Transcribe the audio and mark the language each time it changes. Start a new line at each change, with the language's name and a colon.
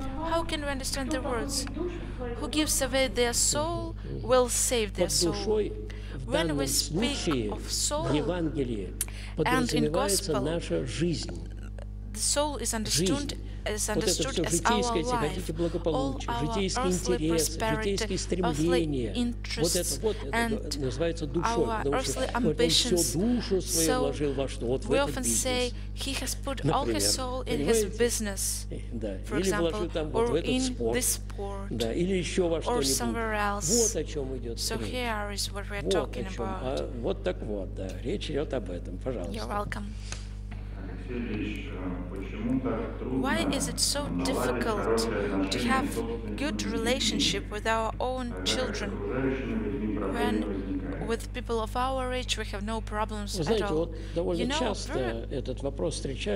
English: How can we understand the words? Who gives away their soul will save their soul. When we speak of soul, and in gospel, the soul is understood.
Russian: Вот это все житейское, если хотите, благополучие, житейские интересы, житейские стремления. Вот это вот это называется душой, потому что он всю душу свою вложил во что? Вот в этот бизнес.
English: He has put all his soul in his business, for example, or in this sport, or somewhere else.
Russian: Вот о чем идет речь.
English: So here is what we are talking about.
Russian: Вот так вот, да, речь идет об этом, пожалуйста.
English: You're welcome. Why is it so difficult to have good relationship with our own children when with people of our age we have no problems at all? You know, very